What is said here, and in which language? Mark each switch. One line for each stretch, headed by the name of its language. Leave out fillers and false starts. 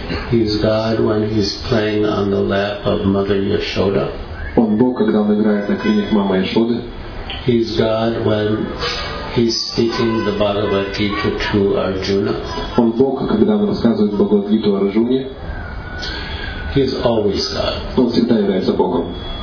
English: He's God when he's playing on the lap of Mother Yashoda.
Russian: Он Бог, когда он играет на крыльях мамы Яшоды.
English: He's God when he's speaking the Bhagavad Gita to Arjuna.
Russian: Он Бог, когда он рассказывает Бхагавад Гиту Арджуне.
English: He's always God.
Russian: Он всегда является Богом.